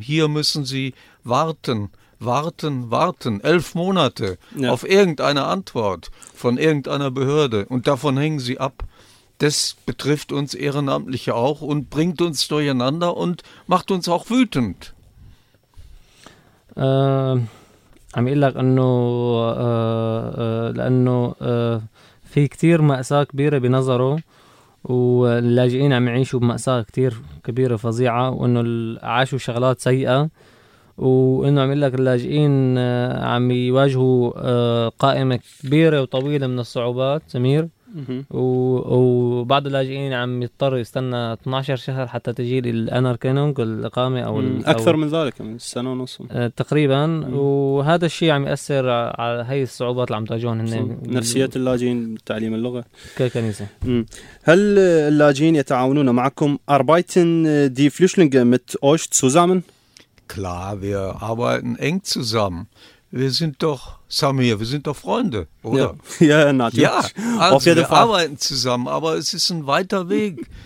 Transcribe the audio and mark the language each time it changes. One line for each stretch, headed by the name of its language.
German: Hier müssen sie warten, 11 Monate ja. auf irgendeine Antwort von irgendeiner Behörde. Und davon hängen sie ab. Das betrifft uns Ehrenamtliche auch und bringt uns durcheinander und macht uns auch wütend.
Arabic: عم يقول لك انه لانه في كثير مأساة كبيرة بنظره واللاجئين عم يعيشوا بمأساة كثير كبيرة فظيعة وانه عاشوا شغلات سيئة وانه عم يقول لك اللاجئين عم يواجهوا قائمة كبيرة وطويلة من الصعوبات سمير وبعض اللاجئين عم يضطر يستنى 12 شهر حتى تجي الانر كانونج الاقامه او اكثر من ذلك من سنه ونص تقريبا وهذا الشيء عم ياثر على هي الصعوبات اللي عم تواجههم هن نفسيات اللاجئين تعليم اللغه ككنيسه هل اللاجئين يتعاونون معكم
German: arbeiten die flüchtlinge mit euch zusammen klar wir arbeiten eng zusammen. Wir sind doch, Samir, wir sind doch Freunde, oder? Ja, ja natürlich. Ja, also wir arbeiten zusammen, aber es ist ein weiter Weg.